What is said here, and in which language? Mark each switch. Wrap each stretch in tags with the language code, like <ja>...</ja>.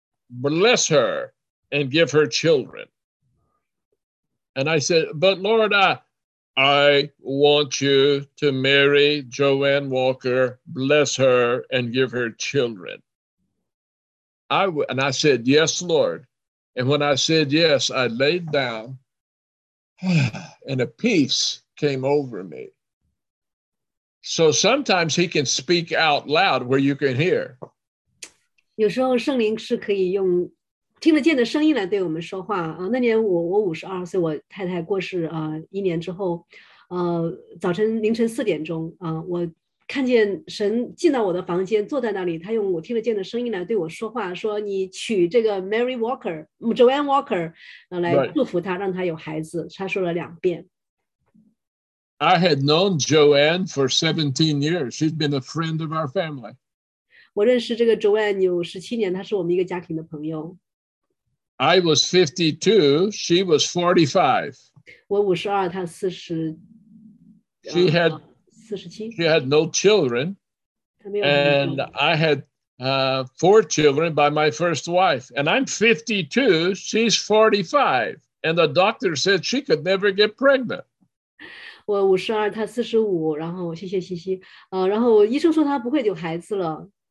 <en>bless her and give her children. And I said, but Lord, I want you to marry Joanne Walker, bless her and give her children. I said, yes, Lord. And when I said yes, I laid down and a peace came over me. So sometimes he can speak out loud where you can hear.</en> <zh>有时候圣灵是可以用听得见的声音来对我们说话。那年我52岁，我太太过世一年之后，早晨凌晨四点钟我看见神进到我的房间，坐在那里，他用我听得见的声音来对我说话，说你娶这个 Mary Walker, Joanne Walker, 来祝福他，让他有孩子。他说了两遍。</zh> <en>I had known Joanne for 17 years. She's been a friend of our family.</en> <zh>我认识这个 Joanne 有17年，她是我们一个家庭的朋友。</zh> <en>I was 52, she was 45.</en> <zh>我52，她40。</zh> <en>She had no children, and I had four children by my first wife. And I'm 52, she's 45, and the doctor said she could never get pregnant.</en> <zh>我52，她45，然后谢谢西西，然后医生说她不会有孩子了。</zh>